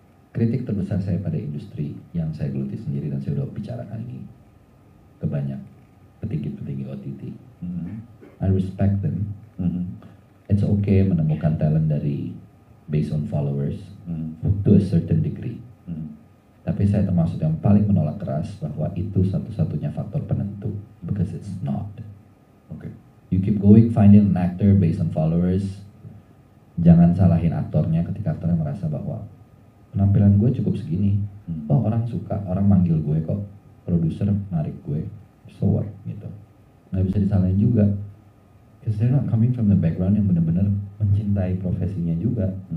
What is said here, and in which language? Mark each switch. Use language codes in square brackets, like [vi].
[id] Kritik terbesar saya pada industri yang saya geluti sendiri dan saya udah bicarakan ini ke banyak petinggi-petinggi OTT. [en] I respect them. It's okay [id] menemukan talent dari [en] based on followers to a certain degree. [id] Tapi saya termasuk yang paling menolak keras bahwa itu satu-satunya faktor penentu, [en] because it's not. Okay. You keep going finding an actor based on followers. [id] Jangan salahin aktornya ketika aktornya merasa bahwa penampilan gue cukup segini. Oh, orang suka, orang manggil gue kok. Produser narik gue. [en] So what [id] gitu. Enggak bisa disalahin juga. [en] Because they're not coming from the background [id] yang benar-benar mencintai profesinya juga.